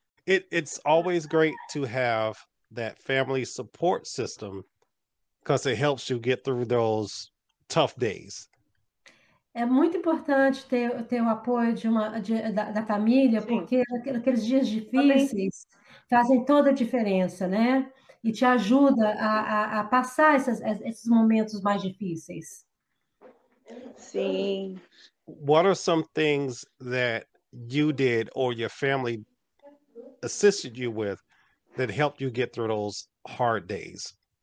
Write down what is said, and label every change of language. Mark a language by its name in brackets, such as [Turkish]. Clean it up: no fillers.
[English] It's always great to have that family support system because it helps you get through those tough days. [Portuguese] É muito importante ter o apoio da família, Sim. porque aqueles dias difíceis Também. fazem toda a diferença, né? E te ajuda a passar esses momentos mais difíceis. Sim. [English] What are some things that you did or your family assisted you with that helped you get through those hard days?